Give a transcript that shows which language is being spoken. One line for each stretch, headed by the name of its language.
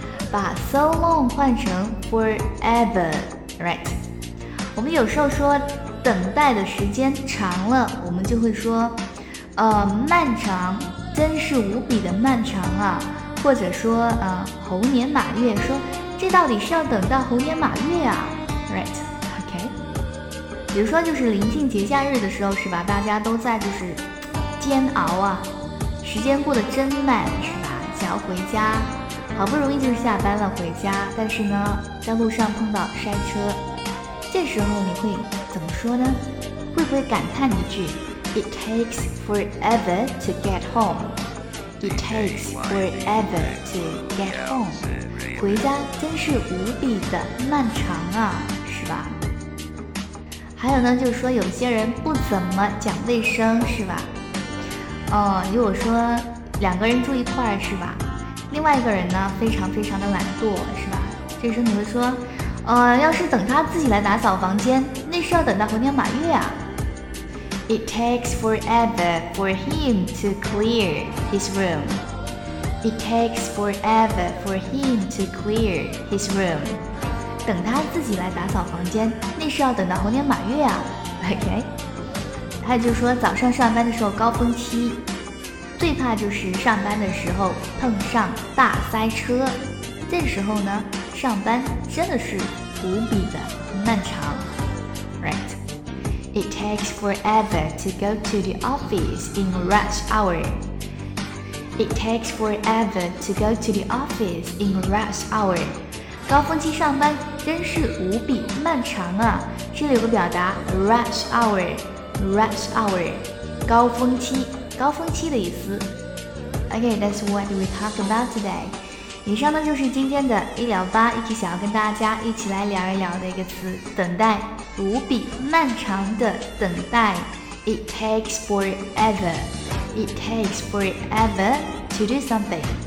Chinese: 把
English: so long
Chinese: 换成
English: forever, right?
Chinese: 我们有时候说等待的时间长了，我们就会说漫长，真是无比的漫长啊，或者说猴年马月，说这到底是要等到猴年马月啊，
English: right?
Chinese: OK, 比如说就是临近节假日的时候是吧，大家都在就是煎熬啊，时间过得真慢是吧，想要回家，好不容易就是下班了回家，但是呢在路上碰到塞车，这时候你会怎么说呢？会不会感叹一句
English: It takes forever to get home. It takes forever to get home.
Chinese: 回家真是无比的漫长啊，是吧？还有呢就是说有些人不怎么讲卫生是吧，如果说两个人住一块儿是吧，另外一个人呢非常非常的懒惰是吧，这时候你会说要是等他自己来打扫房间，那是要等到猴年马月啊。
English: It takes forever for him to clear his room. It takes forever for him to clear his room.
Chinese: 等他自己来打扫房间，那是要等到猴年马月啊。 OK, 他就说早上上班的时候高峰期最怕就是上班的时候碰上大塞车，这时候呢上班真的是无比的漫长，
English: right? It takes forever to go to the office in rush hour. It takes forever to go to the office in rush hour.
Chinese: 高峰期上班真是无比漫长啊，这里有个表达
English: rush hour, rush hour,
Chinese: 高峰期，高峰期的意思。
English: OK, that's what we talk about today.
Chinese: 以上呢就是今天的医疗吧，一起想要跟大家一起来聊一聊的一个词，等待，无比漫长的等待。
English: It takes forever. It takes forever to do something.